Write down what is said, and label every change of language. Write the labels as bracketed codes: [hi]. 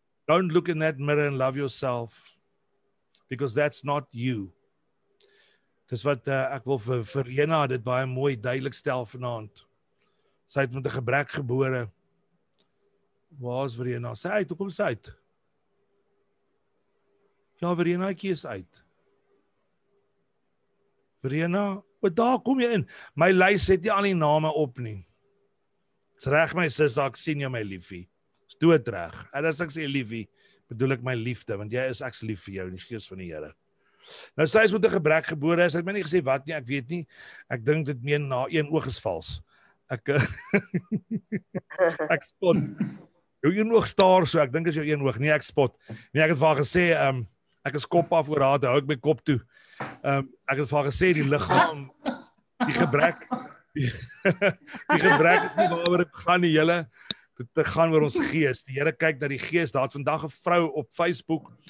[en] Don't look in that mirror and love yourself, because that's not you. [af] Dis wat ek wil vir Rena dit baie mooi duidelik stel vanaand. Sy het met 'n gebrek gebore. Waar is Rena? Sy uit, hoekom sy uit? Ja, Renaatjie is uit. Rena, wat daar kom jy in? My lys het nie al die name op nie. Dis reg my sis, ek sien jou my liefie. Dis dood reg. En as ek sê liefie, bedoel ek my liefde, want jy is ek lief vir jou in die gees van die Here. Nou sy is met 'n gebrek gebore, sy het my nie gesê wat nie, ek weet nie. Ek dink dit meen na een oog is vals. Ek ek spot. Jou een oog staar so, ek dink is jou een oog. Nee, ek spot. Nee, ek het vir haar gesê, ek is kop af oor haar, hou ek my kop toe. Ek het vir haar gesê die liggaam die gebrek die gebrek is nie waaroor ek gaan nie, julle. Te gaan oor ons gees. Die Here kyk na die gees. Daar het vandag 'n vrou op Facebook.